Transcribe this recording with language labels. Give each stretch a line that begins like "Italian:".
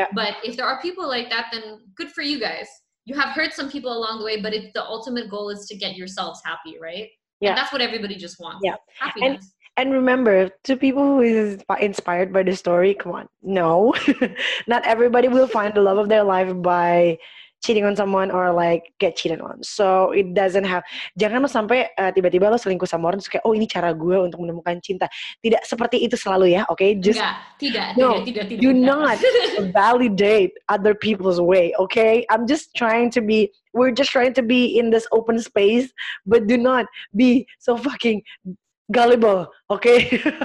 English: But if there are people like that, then good for you guys. You have hurt some people along the way, but it's the ultimate goal is to get yourselves happy, right? Yeah, and that's what everybody just wants. Yeah, happiness. And remember, to people who is inspired by the story, come on, no, not everybody will find the love of their life by cheating on someone or like get cheated on. So it doesn't have.
Indonesian: Jangan lo sampai tiba-tiba lo selingkuh sama orang terus kayak, oh ini cara gue untuk menemukan cinta. Tidak seperti itu selalu ya, okay?
English: Just do not validate other people's way, okay? I'm just trying to be. We're just trying to be in this open space, but do not be so fucking gullible, okay?